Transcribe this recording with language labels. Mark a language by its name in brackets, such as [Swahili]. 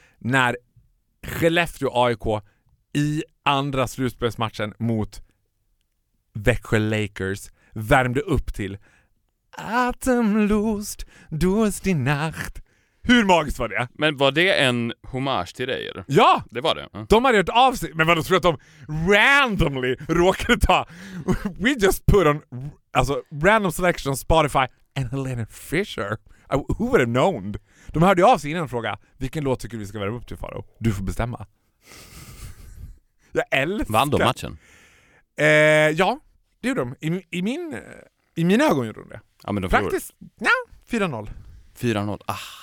[Swedish] När Skellefteå AIK i andra slutspelsmatchen mot Växjö Lakers värmde upp till Atemlust durch die Nacht. Hur magiskt var det? Men var det en hommage till dig eller? Ja! Det var det. Mm. De hade gjort av sig. Men vad, då tror jag att de randomly råkade ta. [English] We just put on [Swedish] alltså, [English] random selection on Spotify and Helena Fisher. Who would have known? [Swedish] De hörde av sig innan och frågade, vilken låt tycker du vi ska vara upp till, Farao? Du får bestämma. Jag älskar. Vann de matchen? Ja, det gjorde de. I mina ögon gjorde de det. Ja, men de förlorade. Faktiskt, ja, 4-0. 4-0, ah.